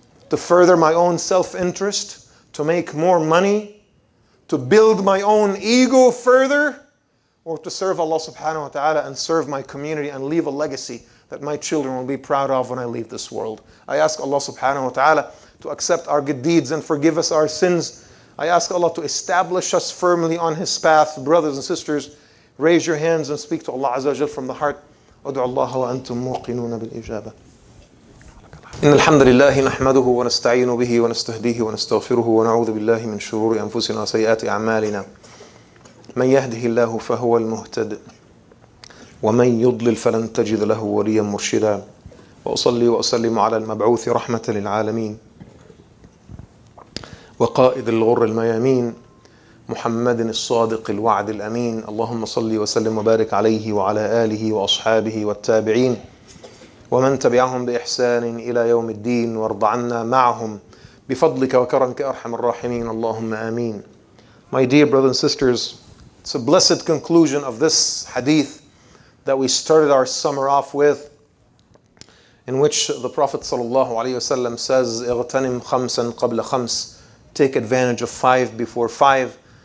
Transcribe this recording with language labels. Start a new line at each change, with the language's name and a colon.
English: To further my own self-interest, to make more money, to build my own ego further, or to serve Allah subhanahu wa ta'ala and serve my community and leave a legacy that my children will be proud of when I leave this world. I ask Allah subhanahu wa ta'ala to accept our good deeds and forgive us our sins. I ask Allah to establish us firmly on His path. Brothers and sisters, raise your hands and speak to Allah Azza wa Jal from the heart.
Arabic: Adu Allah wa antum muqinuna bil ijaba. إن الحمد لله نحمده ونستعين به ونستهديه ونستغفره ونعوذ بالله من شرور أنفسنا وسيئات أعمالنا من يهده الله فهو المهتد ومن يضلل فلن تجد له وليا مرشدا وأصلي وأسلم على المبعوث رحمة للعالمين وقائد الغر الميامين محمد الصادق الوعد الأمين اللهم صلي وسلم وبارك عليه وعلى آله وأصحابه والتابعين ومن تبعهم بإحسان إلى يوم الدين وارض عنا معهم بفضلك وكرمك أرحم الراحمين اللهم آمين.
English: My dear brothers and sisters, it's a blessed conclusion of this hadith that we started our summer off with, in which the Prophet صلى الله عليه وسلم says,
Arabic: اغتنم خمسا قبل خمس,
English: take advantage of five before five.